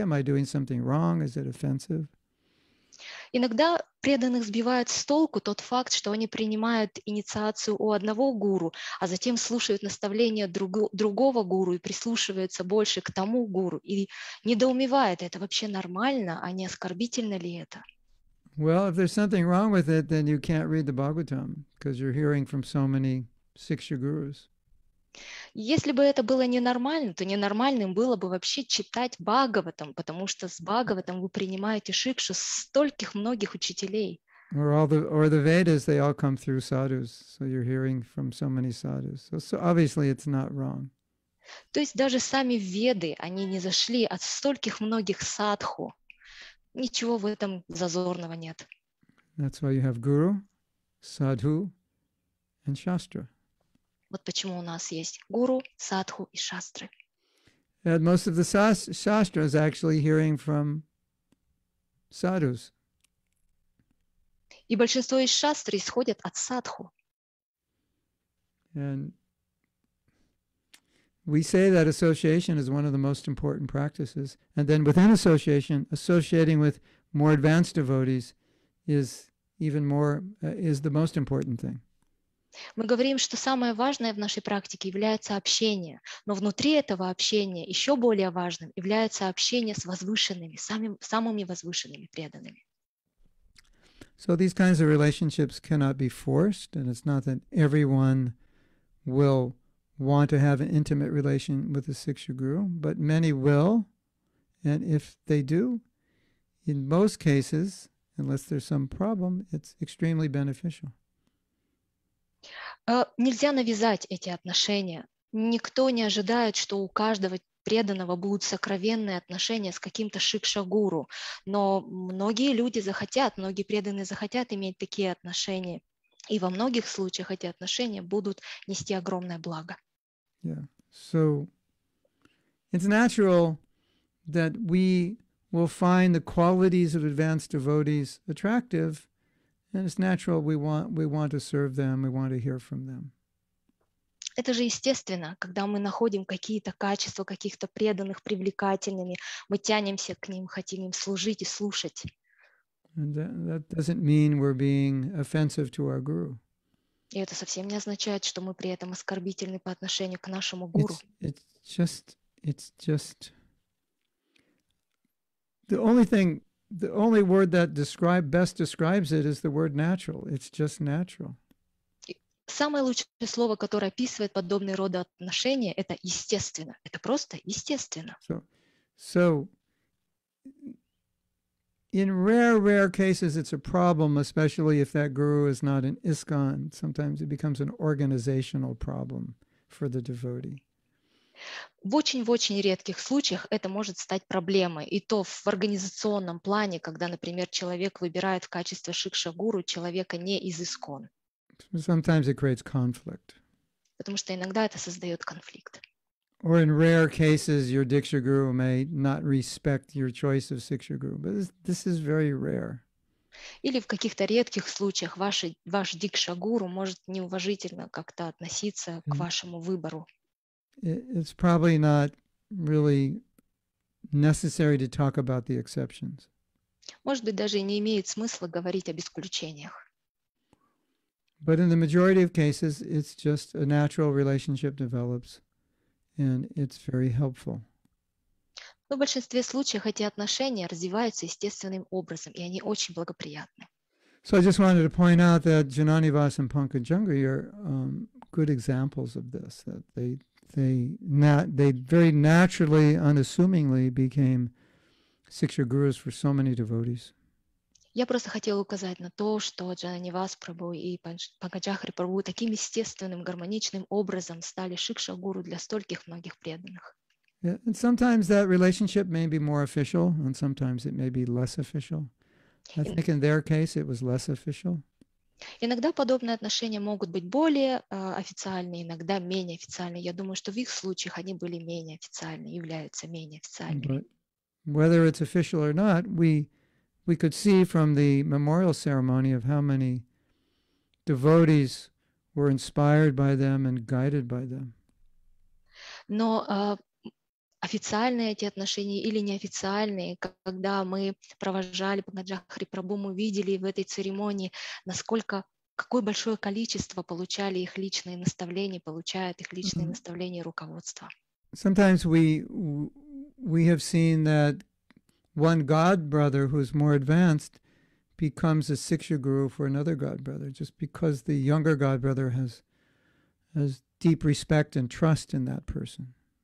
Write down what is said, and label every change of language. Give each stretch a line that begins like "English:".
English: Am I doing something wrong? Is it offensive?
Russian: Иногда преданных сбивает с толку тот факт, что они принимают инициацию у одного гуру, а затем слушают наставления другого гуру и прислушиваются больше к тому гуру и недоумевают, это вообще нормально, а не оскорбительно ли это?
English: Well, if there's something wrong with it, then you can't read the Bhagavatam because you're hearing from so many siksha gurus.
Russian: Если бы это было ненормально, то ненормальным было бы вообще читать Бхагаватам, потому что с Бхагаватом вы принимаете шикшу стольких многих учителей.
English: Or the Vedas, they all come through sadhus, so you're hearing from so many sadhus. So obviously it's not wrong.
Russian: То есть даже сами Веды, они не зашли от стольких многих садху. Ничего в этом зазорного нет.
English: That's why you have guru, sadhu, and shastra.
Russian: Вот почему у нас есть гуру, садху и шастры.
English: And most of the shastras actually hearing from sadhus.
Russian: И большинство из шастр исходят от садху.
English: And we say that association is one of the most important practices. And then within association, associating with more advanced devotees is even more, is the most important thing.
Russian: Мы говорим, что самое важное в нашей практике является общение, но внутри этого общения еще более важным является общение с возвышенными, самыми возвышенными преданными.
English: So these kinds of relationships cannot be forced, and it's not that everyone will want to have an intimate relation with a Siksha Guru, but many will, and if they do, in most cases, unless there's some problem, it's extremely beneficial.
Russian: Нельзя навязать эти отношения. Никто не ожидает, что у каждого преданного будут сокровенные отношения с каким-то шикша-гуру. Но многие люди захотят, многие преданные захотят иметь такие отношения. И во многих случаях эти отношения будут нести огромное благо.
English: Yeah. So it's natural that we will find the qualities of advanced devotees attractive. And it's natural we want to serve them, we want to hear from them.
Russian: Это же естественно, когда мы находим какие-то качества каких-то преданных привлекательными, мы тянемся к ним, хотим им служить и слушать.
English: And that doesn't mean we're being offensive to our guru.
Russian: И это совсем не означает, что мы при этом оскорбительны по отношению к нашему гуру.
English: It's just The only word that best describes it is the word natural. It's just natural.
Russian: Самое лучшее слово, которое описывает подобные роды отношения, это естественно. Это просто естественно.
English: So in rare cases it's a problem, especially if that guru is not an ISKCON. Sometimes it becomes an organizational problem for the devotee.
Russian: В очень-очень редких случаях это может стать проблемой. И то в организационном плане, когда, например, человек выбирает в качестве шикша-гуру человека не из ИСКОН.
English: Sometimes it creates conflict.
Russian: Потому что иногда это создает конфликт.
English: Or in rare cases your Diksha Guru may not respect your choice of Siksha Guru. But this is very rare.
Russian: Или в каких-то редких случаях ваш Дикша-гуру может неуважительно как-то относиться к вашему выбору.
English: It's probably not really necessary to talk about the exceptions.
Russian: Может быть, даже не имеет смысла говорить об исключениях.
English: But in the majority of cases, it's just a natural relationship develops, and it's very helpful.
Russian: Но в большинстве случаев эти отношения развиваются естественным образом, и они очень благоприятны.
English: So I just wanted to point out that Jnanivas and Pankajungri are good examples of this, that they very naturally, unassumingly became Siksha Gurus for so many devotees.
Russian: Я просто хотела указать на то, что Джананивас Прабху и Панкаджахари Прабху таким естественным, гармоничным образом стали Шикша Гуру для стольких многих преданных.
English: Yeah, and sometimes that relationship may be more official, and sometimes it may be less official. I think in their case it was less official.
Russian: Иногда подобные отношения могут быть более официальные, иногда менее официальные. Я думаю, что в их случаях они были менее официальны, являются менее официальными.
English: But whether it's official or not, we could see from the memorial ceremony of how many devotees were inspired by them and guided by them.
Russian: Но официальные эти отношения или неофициальные, когда мы провожали Панкаджахари Прабху, мы видели в этой церемонии, насколько, какое большое количество получали их личные наставления, получают их личные наставления и руководство.
English: Sometimes we have seen that one god brother who's more advanced becomes a Siksha Guru for another god brother, just because the younger god brother has deep respect and trust in that person.